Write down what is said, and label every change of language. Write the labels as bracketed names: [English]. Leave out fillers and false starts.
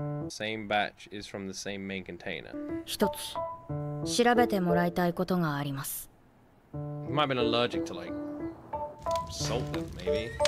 [English] same batch is from the same main container. [Japanese] 一つ調べてもらいたいことがあります。 [English] Might have been allergic to like salt, maybe.